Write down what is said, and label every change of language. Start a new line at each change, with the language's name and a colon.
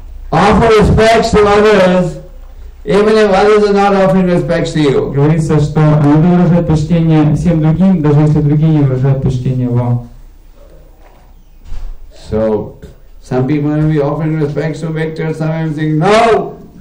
English: Offer respects to others, even if others are not offering respects to you.
Russian: Говорится, что надо выражать почтение всем другим, даже если другие не выражают почтение вам.
English: So. Some people may be offering respects to Victor, some may think, no!